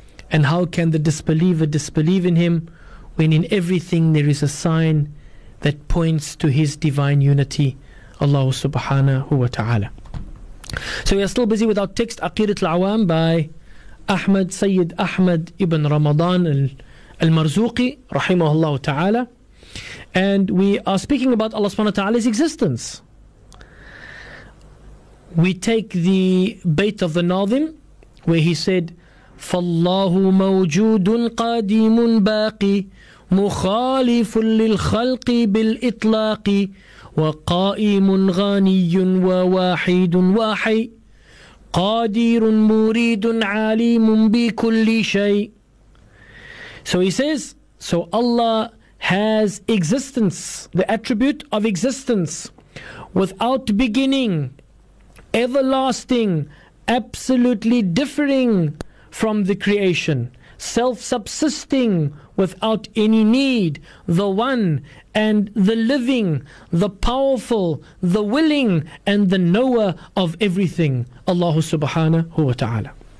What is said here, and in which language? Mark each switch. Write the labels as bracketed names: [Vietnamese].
[English] And how can the disbeliever disbelieve in Him when in everything there is a sign that points to His divine unity, Allah subhanahu wa ta'ala. So we are still busy with our text, Aqeedat al-Awam, by Ahmad, Sayyid Ahmad ibn Ramadan al-Marzuqi, rahimahullah ta'ala. And we are speaking about Allah subhanahu wa ta'ala's existence. We take the bait of the Nadhim, where he said, [Arabic] فالله موجود قادم باقي مخالف للخلق بالإطلاق وقائم غني وواحد وحي قادر مريد عليم بكل شيء. [English] So he says, so Allah has existence, the attribute of existence, without beginning, everlasting, absolutely differing from the creation, self-subsisting without any need, the one and the living, the powerful, the willing, and the knower of everything, Allah subhanahu wa ta'ala.